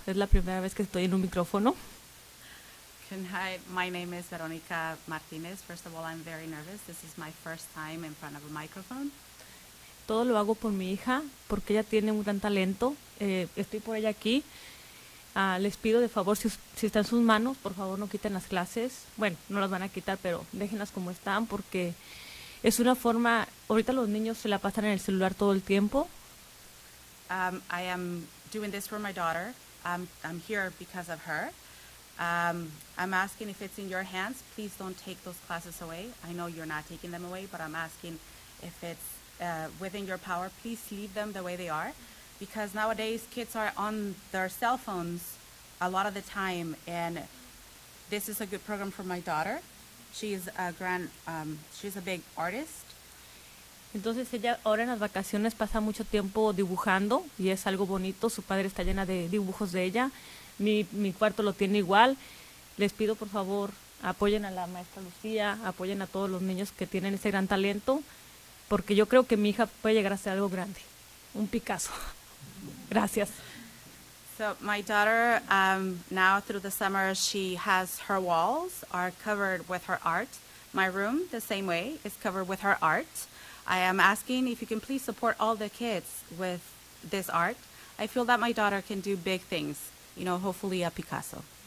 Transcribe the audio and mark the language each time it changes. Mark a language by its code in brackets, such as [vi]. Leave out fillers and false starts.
[es] Es la primera vez que estoy en un micrófono. [en] Hi, my name is Verónica Martínez. First of all, I'm very nervous. This is my first time in front of a microphone. [es] Todo lo hago por mi hija, porque ella tiene un gran talento. Estoy por ella aquí. Les pido de favor, si está en sus manos, por favor no quiten las clases. Bueno, no las van a quitar, pero déjenlas como están, porque es una forma, ahorita los niños se la pasan en el celular todo el tiempo. [en] I am doing this for my daughter. I'm here because of her. I'm asking if it's in your hands, please don't take those classes away. I know you're not taking them away, but I'm asking if it's within your power, please leave them the way they are, because nowadays kids are on their cell phones a lot of the time, and this is a good program for my daughter. She's a big artist. [es] Entonces ella ahora en las vacaciones pasa mucho tiempo dibujando y es algo bonito. Su padre está llena de dibujos de ella. Mi cuarto lo tiene igual. Les pido por favor apoyen a la maestra Lucía, apoyen a todos los niños que tienen ese gran talento, porque yo creo que mi hija puede llegar a ser algo grande, un Picasso. Gracias. [en] So my daughter, now through the summer, she has her walls are covered with her art. My room, the same way, is covered with her art. I am asking if you can please support all the kids with this art. I feel that my daughter can do big things, you know, hopefully a Picasso.